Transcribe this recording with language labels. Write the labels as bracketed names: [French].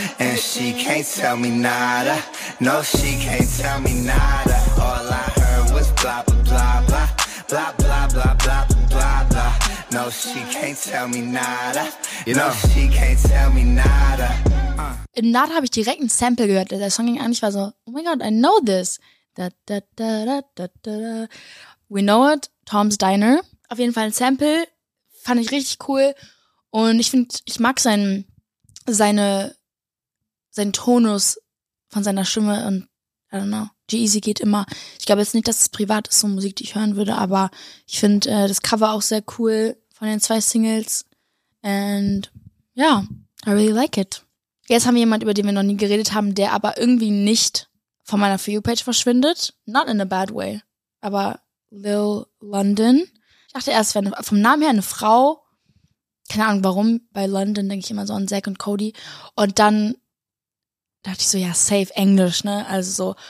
[English] And she can't tell me nada. No, she can't tell me nada. All I heard was blah, blah, blah, blah. Blah, blah, blah, blah, blah, blah. No, she can't tell me nada. You know, she can't tell me nada. [German] In Nada habe ich direkt ein Sample gehört. Der Song ging an, ich war so, [English] oh my god, I know this. Da, da, da, da, da, da. We know it, Tom's Diner. [German] Auf jeden Fall ein Sample, fand ich richtig cool. Und ich finde, ich mag seinen Tonus von seiner Stimme und [English] I don't know. [German] G-Eazy geht immer. Ich glaube jetzt nicht, dass es privat ist, so Musik, die ich hören würde, aber ich finde das Cover auch sehr cool von den zwei Singles. [English] And yeah, I really like it. [German] Jetzt haben wir jemanden, über den wir noch nie geredet haben, der aber irgendwie nicht von meiner For You-Page verschwindet. [English] Not in a bad way. [German] Aber Lil London. Ich dachte erst, es wäre vom Namen her eine Frau. Keine Ahnung warum. Bei London denke ich immer so an Zack und Cody. Und dann dachte ich so, ja, safe, Englisch, ne? Also so.